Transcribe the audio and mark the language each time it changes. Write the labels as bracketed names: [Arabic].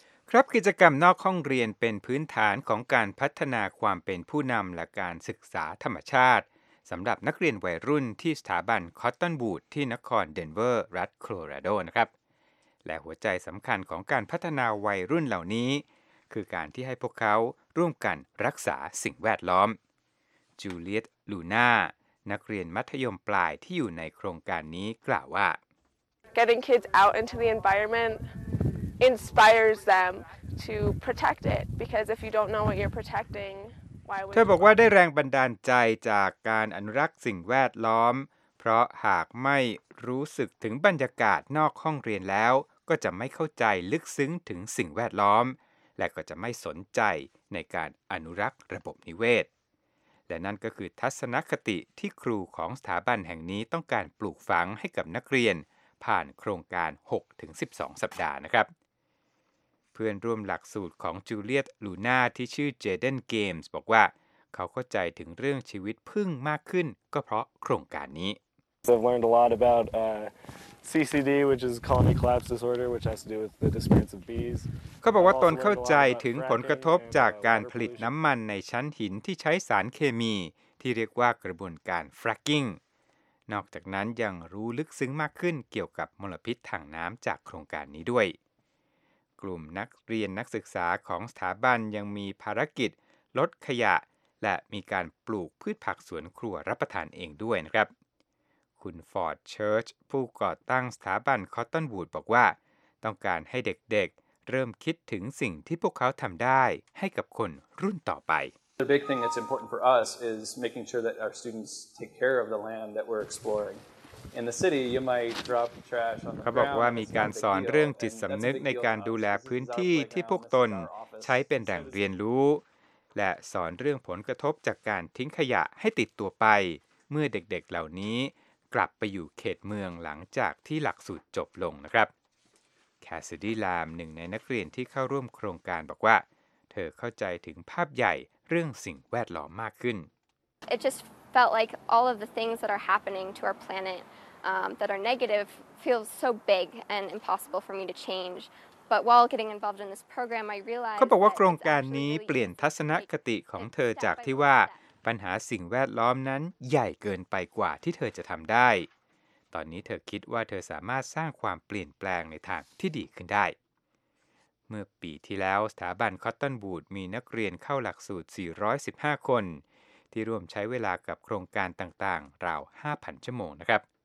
[Thai] ครับกิจกรรมนอกห้องเรียนเป็นพื้นฐานของการพัฒนาความเป็นผู้นำและการศึกษาธรรมชาติสำหรับนักเรียนวัยรุ่นที่สถาบันคอตตอนวูดที่นครเดนเวอร์รัฐโคโลราโดนะครับและหัวใจสำคัญของการพัฒนาวัยรุ่นเหล่านี้คือการที่ให้พวกเขาร่วมกันรักษาสิ่งแวดล้อมจูเลียตลูน่านักเรียนมัธยมปลายที่อยู่ในโครงการนี้กล่าวว่า [English] Getting kids out into the environment inspires them to protect it because if you don't know what you're protecting [Thai] เธอบอกว่าได้แรงบันดาลใจจากการอนุรักษ์สิ่งแวดล้อมเพราะหากไม่รู้สึกถึงบรรยากาศนอกห้องเรียนแล้วก็จะไม่เข้าใจลึกซึ้งถึงสิ่งแวดล้อมและก็จะไม่สนใจในการอนุรักษ์ระบบนิเวศและนั่นก็คือทัศนคติที่ครูของสถาบันแห่งนี้ต้องการปลูกฝังให้กับนักเรียนผ่านโครงการ 6-12 สัปดาห์นะครับ เพื่อนร่วมหลักสูตรของจูเลียตลูน่าที่ชื่อเจเดนเกมส์บอกว่าเขาเข้าใจถึงเรื่องชีวิตผึ้งมากขึ้นก็เพราะโครงการนี้ [English] I've learned a lot about CCD which is colony collapse disorder which has to do with the disappearance of bees [Thai] เขาบอกว่าตนเข้าใจถึงผลกระทบจากการผลิตน้ำมันในชั้นหินที่ใช้สารเคมีที่เรียกว่ากระบวนการ fracking นอกจากนั้นยังรู้ลึกซึ้งมากขึ้นเกี่ยวกับมลพิษทางน้ำจากโครงการนี้ด้วย กลุ่มนักเรียนนักศึกษาของสถาบันยังมีภารกิจลดขยะและมีการปลูกพืชผักสวนครัวรับประทานเองด้วยนะครับคุณฟอร์ดเชิร์ชผู้ก่อตั้งสถาบันคอตตอนวูดบอกว่าต้องการให้เด็กๆเริ่มคิดถึงสิ่งที่พวกเขาทำได้ให้กับคนรุ่นต่อไป [English] The big thing that's important for us is making sure that our students take care of the land that we're exploringIn the city, you might drop trash on the ground. [Thai] เขาบอกว่ามีการสอนเรื่องจิตสำนึกในการดูแลพื้นที่ที่พวกตนใช้เป็นแหล่งเรียนรู้และสอนเรื่องผลกระทบจากการทิ้งขยะให้ติดตัวไปเมื่อเด็กๆ เหล่านี้กลับไปอยู่เขตเมืองหลังจากที่หลักสูตรจบลงนะครับแคสซิดี้ลามหนึ่งในนักเรียนที่เข้าร่วมโครงการบอกว่าเธอเข้าใจถึงภาพใหญ่เรื่องสิ่งแวดล้อมมากขึ้น [English] Felt like all of the things that are happening to our planet that are negative feels so big and impossible for me to change. But while getting involved in this program, I realized. [Thai] เขาบอกว่าโครงการนี้เปลี่ยนทัศนคติของเธอจากที่ว่าปัญหาสิ่งแวดล้อมนั้นใหญ่เกินไปกว่าที่เธอจะทำได้ตอนนี้เธอคิดว่าเธอสามารถสร้างความเปลี่ยนแปลงในทางที่ดีขึ้นได้เมื่อปีที่แล้วสถาบันคอตตอนวูดมีนักเรียนเข้าหลักสูตร415คนที่ร่วมใช้เวลากับโครงการต่างๆราว 5,000 ชั่วโมงนะครับ